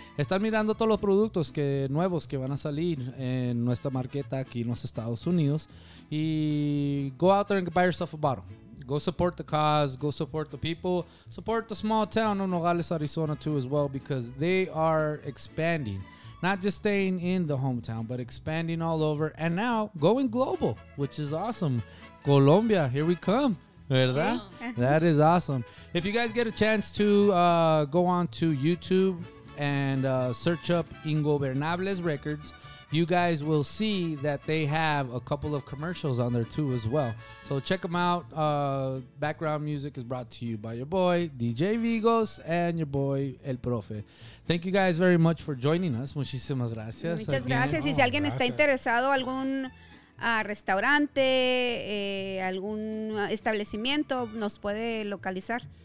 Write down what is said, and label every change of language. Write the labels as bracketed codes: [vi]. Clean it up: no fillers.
[es] Están mirando todos los productos que, nuevos que van a salir en nuestra marqueta aquí en los Estados Unidos. [en] Y go out there and buy yourself a bottle. Go support the cause. Go support the people. Support the small town of Nogales, Arizona, too, as well, because they are expanding. Not just staying in the hometown, but expanding all over. And now going global, which is awesome. Colombia, here we come. ¿Verdad? That is awesome. If you guys get a chance to go on to YouTube and search up Ingobernables Records, you guys will see that they have a couple of commercials on there too as well. So check them out. Background music is brought to you by your boy, DJ Vigos, and your boy, El Profe. Thank you guys very much for joining us. [es] Muchísimas gracias. Muchas gracias. Y si alguien está interesado, algún restaurante, algún establecimiento, nos puede localizar.